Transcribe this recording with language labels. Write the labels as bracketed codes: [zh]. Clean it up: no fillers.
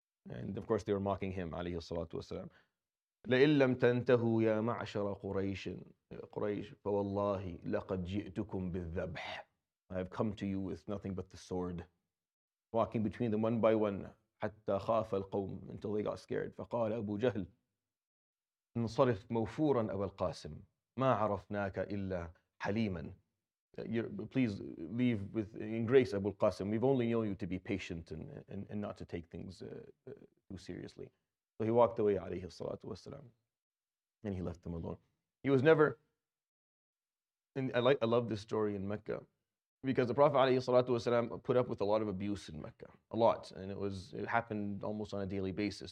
[en] And of course, they were mocking him, alayhi salatu wasalam. [ar] لَإِن لَمْ تَنْتَهُوا يَا مَعْشَرَ قُرَيْشِ فَوَاللَّهِ لَقَدْ جِئْتُكُمْ بِالذَّبْحِ, [en] I have come to you with nothing but the sword. Walking between them one by one, [ar] حَتَّى خَافَ الْقَوْمِ, [en] until they got scared. [ar] فَقَالَ أَبُو جَهْلِ انصرف موفورا أبا القاسم ما عرفناك إلا حليما. [en] Please leave with in grace, Abu al-Qasim. We've only known you to be patient and not to take things too seriously. So he walked away, alayhi salatu wasalam, and he left them alone. He was never, and I love this story in Mecca, because the Prophet alayhi salatu wasalam put up with a lot of abuse in Mecca, a lot, and it happened almost on a daily basis.